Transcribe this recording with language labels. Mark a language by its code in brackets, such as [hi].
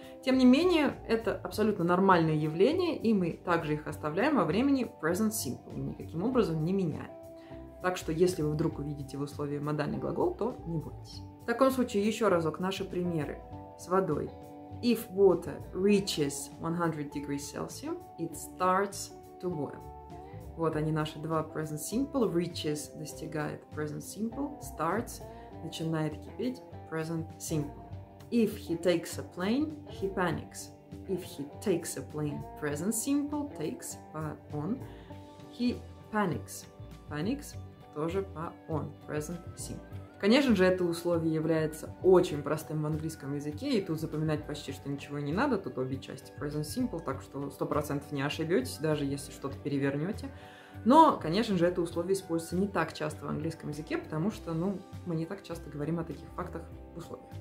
[ru] Тем не менее, это абсолютно нормальное явление, и мы также их оставляем во времени present simple, никаким образом не меняем. Так что, если вы вдруг увидите в условии модальный глагол, то не бойтесь. В таком случае, еще разок наши примеры с водой. [en] If water reaches 100 degrees Celsius, it starts to boil. [ru] Вот они наши два present simple. Reaches достигает present simple. Starts начинает кипеть present simple. [en] If he takes a plane, he panics. If he takes a plane, present simple, takes, on. He panics. [ru] Panics тоже по-он. [en] Present simple. [ru] Конечно же, это условие является очень простым в английском языке, и тут запоминать почти что ничего не надо, тут обе части present simple, так что 100% не ошибетесь, даже если что-то перевернете. Но, конечно же, это условие используется не так часто в английском языке, потому что, ну, мы не так часто говорим о таких фактах в условиях.